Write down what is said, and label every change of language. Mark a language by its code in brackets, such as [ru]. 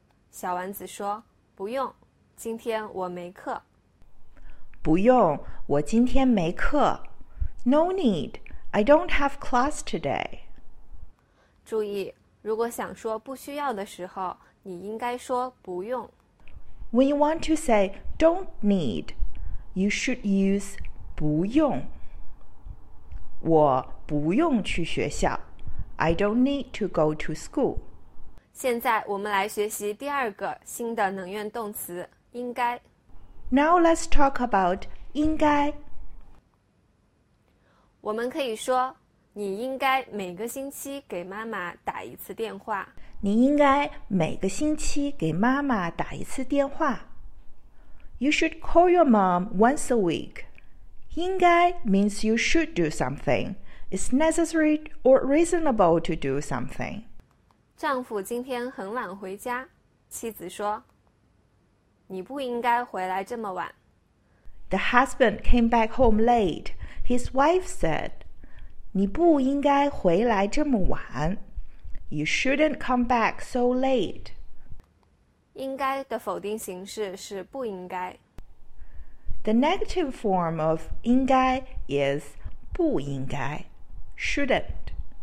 [zh] 小丸子说：“不用，今天我没课。” 不用，我今天没课。 [en] No need, I don't have class today。 [zh] 注意，如果想说不需要的时候，你应该说不用。 [en] When you want to say don't need, you should use 不用。 [zh] 我不用去学校。 [en] I don't need to go to school. [zh] 现在我们来学习第二个新的能源动词，应该。 [en] Now let's talk about 应该。 [zh] 我们可以说，你应该每个星期给妈妈打一次电话。你应该每个星期给妈妈打一次电话。 [en] You should call your mom once a week. 应该 means you should do something. It's necessary or reasonable to do something. [zh] 丈夫今天很晚回家，妻子说，你不应该回来这么晚。 [en] The husband came back home late. His wife said, [zh] 你不应该回来这么晚。 [en] You shouldn't come back so late. [zh] 应该的否定形式是不应该。 [en] The negative form of 应该 is 不应该 shouldn't.